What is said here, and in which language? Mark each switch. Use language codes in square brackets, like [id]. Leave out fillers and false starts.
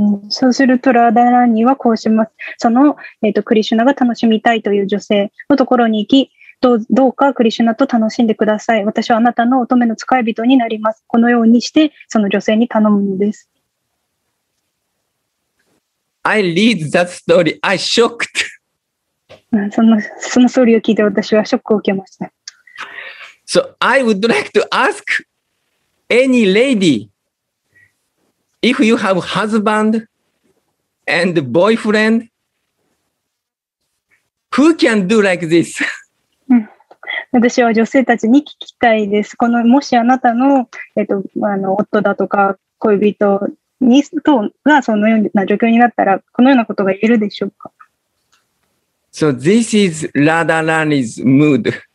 [ja] そうするとラダラニはこうします。その、クリシュナが楽しみたいという女性のところに行き、どうかクリシュナと楽しんでください。私はあなたの乙女の使い人になります。このようにしてその女性に頼むのです。 [en] I read that story. I shocked. [ja] そのストーリーを聞いて私はショックを受けました。 [en] So I would like to ask any lady if you have husband and boyfriend, who can do like this? [ja] 私は女性たちに聞きたいです。このもしあなたの、夫だとか恋人にとがそのような状況になったら、このようなことが言えるでしょうか。 [en] So this is Radharani's mood.